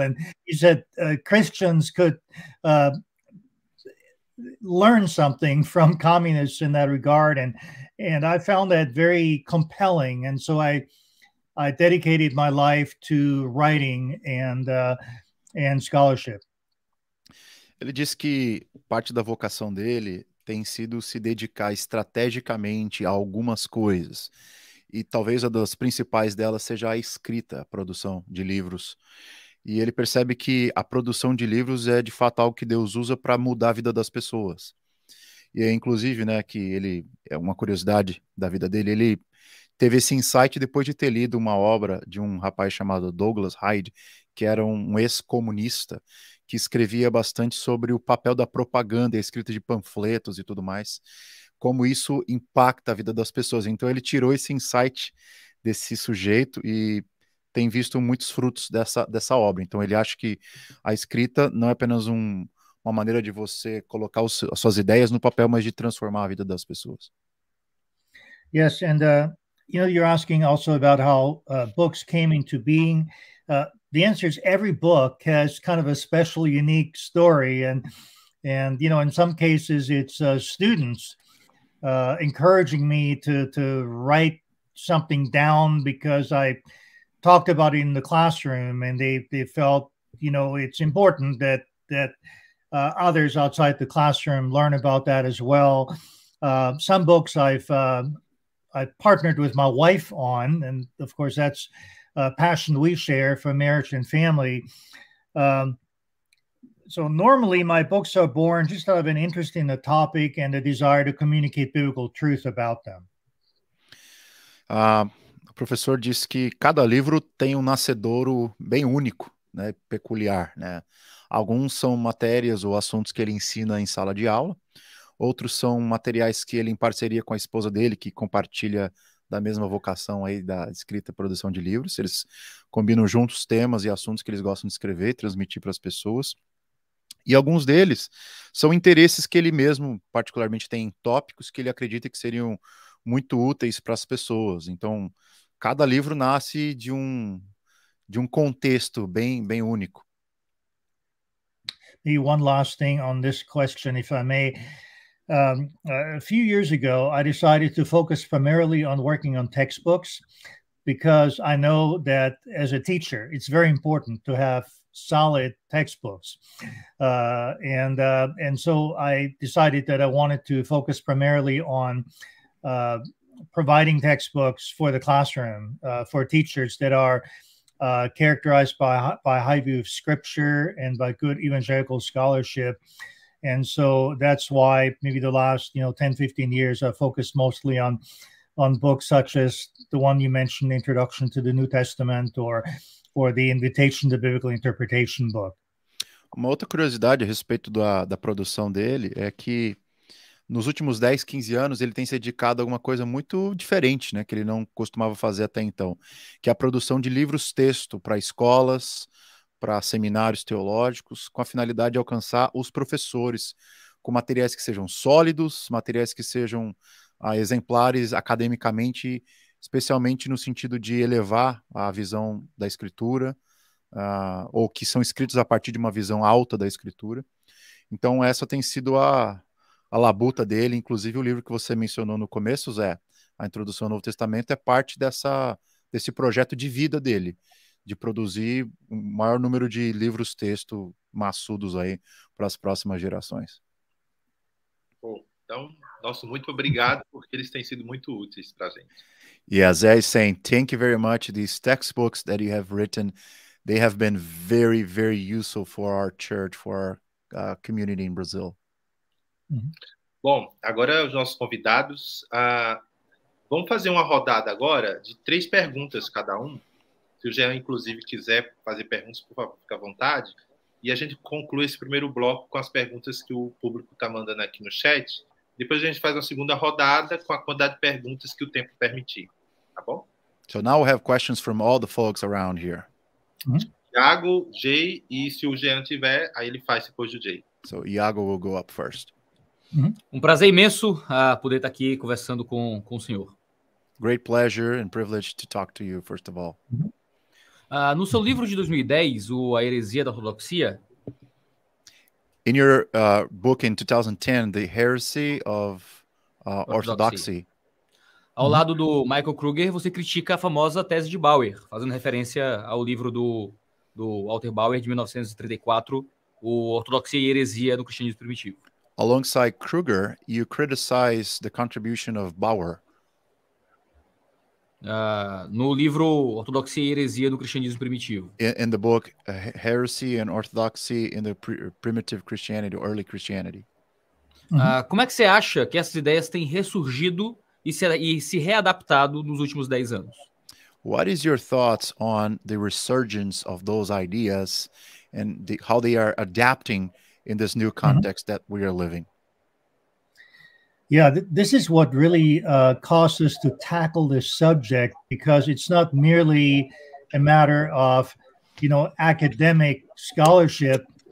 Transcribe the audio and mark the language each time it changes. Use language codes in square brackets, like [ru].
[en] And he said Christians could learn something from communists in that regard. And And I found that very compelling. And so I dedicated my life to writing and scholarship. [pt] Ele disse que parte da vocação dele tem sido se dedicar estrategicamente a algumas coisas. E talvez a das principais delas seja a escrita, a produção de livros. E ele percebe que a produção de livros é de fato algo que Deus usa para mudar a vida das pessoas. E é inclusive, né, que ele, é uma curiosidade da vida dele, ele teve esse insight depois de ter lido uma obra de um rapaz chamado Douglas Hyde, que era um ex-comunista, que escrevia bastante sobre o papel da propaganda, a escrita de panfletos e tudo mais, como isso impacta a vida das pessoas. Então ele tirou esse insight desse sujeito e tem visto muitos frutos dessa obra. Então ele acha que a escrita não é apenas uma maneira de você colocar as suas ideias no papel, mas de transformar a vida das pessoas. [en] Yes, and you know, you're asking also about how books came into being. The answer is every book has kind of a special, unique story. And you know, in some cases, it's students encouraging me to write something down because I talked about it in the classroom and they felt, you know, it's important that others outside the classroom learn about that as well. Some books I've partnered with my wife on, and of course that's a passion we share for marriage and family. So normally my books are born just out of an interest in the topic and a desire to communicate biblical truth about them. [pt] O professor diz que cada livro tem um nascedouro bem único, né, peculiar, né? Alguns são matérias ou assuntos que ele ensina em sala de aula. Outros são materiais que ele em parceria com a esposa dele, que compartilha da mesma vocação aí da escrita e produção de livros. Eles combinam juntos temas e assuntos que eles gostam de escrever e transmitir para as pessoas. E alguns deles são interesses que ele mesmo particularmente tem em tópicos que ele acredita que seriam muito úteis para as pessoas. Então, cada livro nasce de um contexto bem, bem único. [en] E one last thing on this question, if I may. A few years ago, I decided to focus primarily on working on textbooks because I know that as a teacher, it's very important to have solid textbooks. And so I decided that I wanted to focus primarily on providing textbooks for the classroom for teachers that are characterized by high view of scripture and by good evangelical scholarship. And so that's why maybe the last, you know, 10, 15 years, I focused mostly on books such as the one you mentioned, Introduction to the New Testament, or the Invitation to Biblical Interpretation book. [pt] Uma outra curiosidade a respeito da produção dele é que nos últimos 10, 15 anos, ele tem se dedicado a alguma coisa muito diferente, né, que ele não costumava fazer até então, que é a produção de livros-texto para escolas, para seminários teológicos, com a finalidade de alcançar os professores, com materiais que sejam sólidos, materiais que sejam exemplares academicamente, especialmente no sentido de elevar a visão da escritura, ou que são escritos a partir de uma visão alta da escritura. Então, essa tem sido a labuta dele, inclusive o livro que você mencionou no começo, Zé, A Introdução ao Novo Testamento, é parte desse projeto de vida dele, de produzir o maior número de livros-texto maçudos aí para as próximas gerações. Bom, então, nosso muito obrigado, porque eles têm sido muito úteis para a gente. [en] Yeah, Zé is saying, thank you very much, these textbooks that you have written, they have been very, very useful for our church, for our community in Brazil. Uhum. [pt] Bom, agora os nossos convidados, vamos fazer uma rodada agora de 3 perguntas cada um. Se o Jean, inclusive, quiser fazer perguntas, por favor, fique à vontade. E a gente conclui esse primeiro bloco com as perguntas que o público está mandando aqui no chat. Depois a gente faz uma segunda rodada com a quantidade de perguntas que o tempo permitir. Tá bom? [en] So now we have questions from all the folks around here. Uhum. [pt] Iago, Jay, e se o Jean tiver, aí ele faz depois do Jay. [en] So Iago will go up first. [pt] Uhum. Um prazer imenso poder estar aqui conversando com o senhor. [en] Great pleasure and privilege to talk to you, first of all. Uhum. [pt] No seu livro de 2010, o A Heresia da Ortodoxia. [en] In your book in 2010, The Heresy of Orthodoxy. [pt] Ao lado do Michael Kruger, você critica a famosa tese de Bauer, fazendo referência ao livro do Walter Bauer de 1934, O Ortodoxia e Heresia do Cristianismo Primitivo. [en] Alongside Kruger, you criticize the contribution of Bauer. [pt] No livro Ortodoxia e Heresia do Cristianismo Primitivo. [en] In the book Heresy and Orthodoxy in the Primitive Christianity, Early Christianity. [pt] Como é que você acha que essas ideias têm ressurgido e se readaptado nos últimos 10 anos? [en] What is your thoughts on the resurgence of those ideas and how they are adapting in this new context that we are living? Yeah, this is what really caused us to tackle this subject, because it's not merely a matter of, you know, academic scholarship.